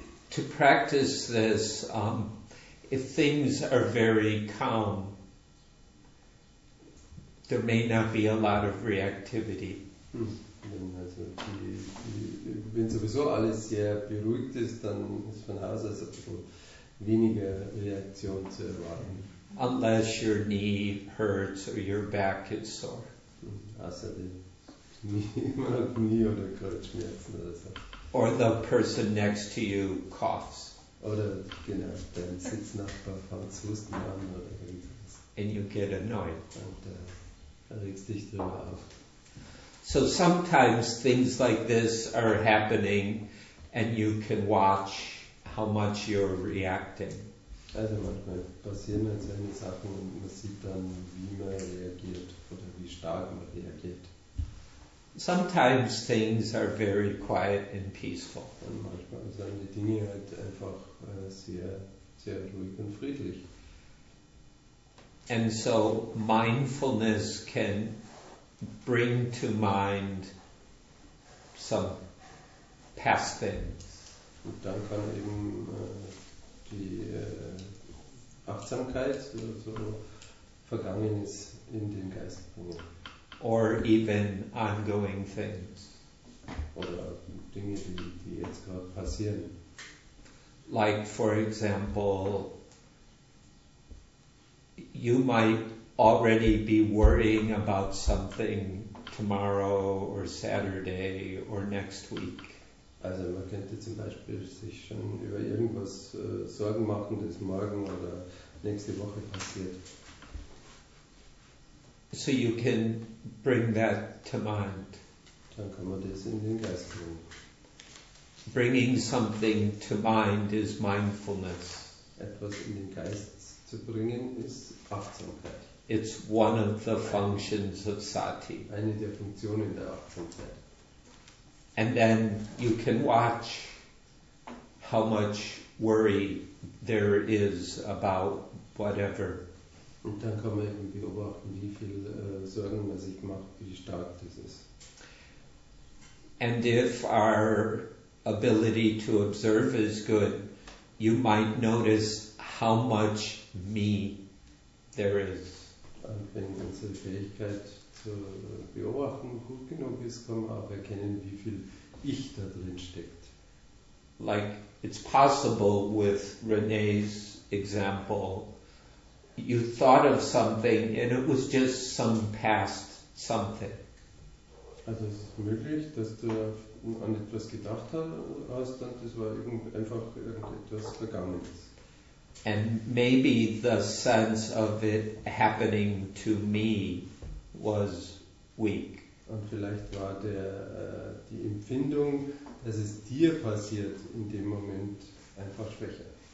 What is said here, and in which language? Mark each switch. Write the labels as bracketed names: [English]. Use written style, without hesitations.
[English] To practice this, if things are very calm, there may not be a lot of reactivity. [German] Wenn also wenn sowieso alles sehr beruhigt ist, dann ist von Haus aus ein bisschen weniger Reaktion zu erwarten. [English] Unless your knee hurts or your back is sore. [German] Also die Knie oder Kreuzschmerzen oder so. [English] Or the person next to you coughs. [German] Oder genau, dein Sitznachbar fängt zu husten an oder irgendwas. [English] And you get annoyed. [German] Und regst dich drüber auf. [English] So sometimes things like this are happening and you can watch how much you're reacting. [German] Also manchmal passieren halt solche Sachen und man sieht dann, wie man reagiert oder wie stark man reagiert. [English] Sometimes things are very quiet and peaceful. [German] Und manchmal sind die Dinge halt einfach sehr, sehr ruhig und friedlich. [English] And so mindfulness can bring to mind some past things. [German] Und dann kann eben die Achtsamkeit oder so Vergangenes in den Geist bringen. [English] Or even ongoing things. [German] Oder Dinge, die jetzt gerade passieren. [English] Like, for example, you might already be worrying about something tomorrow or Saturday or next week. [German] Also man könnte zum Beispiel sich schon über irgendwas Sorgen machen, das morgen oder nächste Woche passiert. [English] So you can bring that to mind. [German] Dann kann man das in den Geist bringen. [English] Bringing something to mind is mindfulness. [German] Etwas in den Geist zu bringen ist Achtsamkeit. [English] It's one of the functions of sati. [German] Eine der Funktionen der Achtsamkeit. [English] And then you can watch how much worry there is about whatever. [German] Und dann kann man eben beobachten, wie viel Sorgen man sich macht, wie stark das ist. [English] And if our ability to observe is good, you might notice how much me there is. [German] Und wenn unsere Fähigkeit zu beobachten gut genug ist, kann man auch erkennen, wie viel Ich da drin steckt. [English] Like, it's possible with Renee's example, you thought of something and it was just some past something. [German] Also es ist möglich, dass du an etwas gedacht hast und das war einfach irgendetwas Vergangenes. [English] And maybe the sense of it happening to me was weak. [German] Und vielleicht war der die Empfindung, dass es dir passiert in dem Moment einfach schwächer.